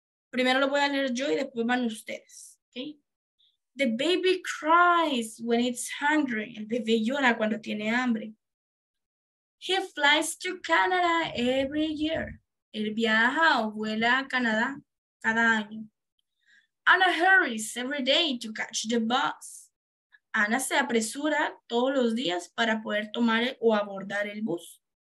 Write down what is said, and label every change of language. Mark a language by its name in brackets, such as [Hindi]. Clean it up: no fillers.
[Spanish] Primero lo voy a leer yo y después van ustedes. [English] Okay. The baby cries when it's hungry. [Spanish] El bebé llora cuando tiene hambre. [English] He flies to Canada every year. [Spanish] Él viaja o vuela a Canadá cada año. [English] Anna hurries every day to catch the bus. [Spanish] Ana se apresura todos los días para poder tomar o abordar el bus.